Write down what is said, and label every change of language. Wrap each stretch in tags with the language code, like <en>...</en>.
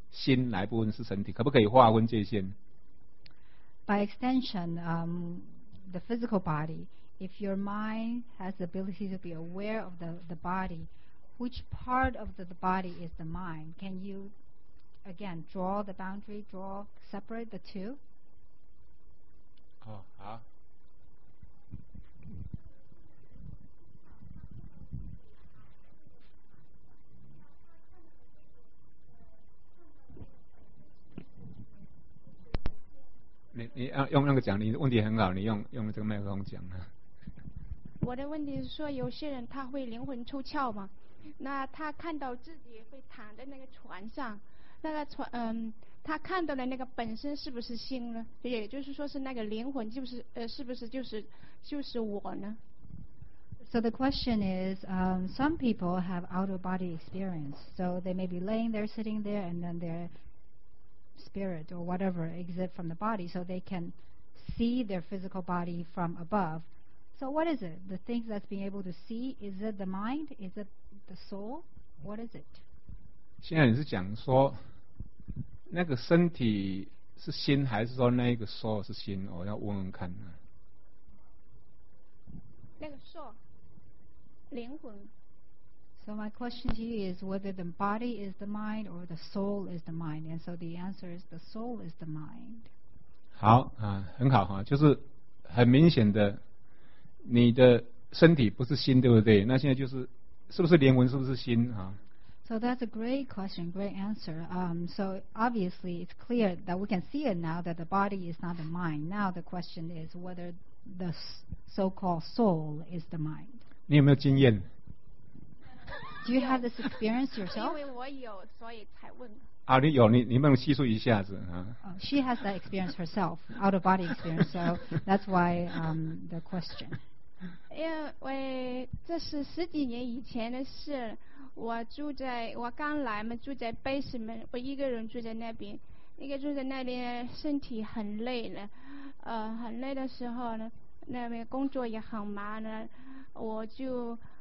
<zh>心哪一部分是身体，可不可以划分界限？</zh> <en>By extension, the physical body, if your mind has the ability to be aware of the body, which part of the body is the mind? Can you again draw the boundary, draw separate the two?</en> <zh>好、oh, 啊你用那个讲，你问题很好，你用这个麦克风讲啊。我的问题是说，有些人他会灵魂出窍嘛，那他看到自己会躺在那个船上，那个船他看到的那个本身是不是心呢？也就是说是那个灵魂就是是不是就是我呢？</zh> <en>So the question is, some people have out of body experience, so they may be laying there, sitting there, and then they're. Spirit or whatever exit from the body, so they can see their physical body from above. So, what is it? The things that's being able to see, is it the mind? Is it the soul? What is it?</en> <zh>现在你是讲说那个身体是心，还是说那个 soul 是心？我要问问看。那个 soul， 灵魂。</zh> <en>So my question to you is whether the body is the mind or the soul is the mind. And so the answer is the soul is the mind.</en> <zh>好、啊、很好、啊、就是很明显的你的身体不是心，对不对？那现在就是是不是灵魂，是不是心、啊、</zh> <en>So that's a great question, great answer. So obviously it's clear that we can see it now that the body is not the mind. Now the question is whether the so-called soul is the mind.</en> <zh>你有没有经验？</zh> <en>Do you have this experience yourself?</en> <zh>因为我有，所以才问。啊，你有，你能不能叙述一下子啊、</zh> <en>？She has that experience herself, out of body experience, so that's why the question.</en> <zh>因为这是十几年以前的事，我刚来嘛，住在 basement， 我一个人住在那边，一个住在那边，身体很累了，很累的时候呢，那边工作也很忙呢，我就。</zh>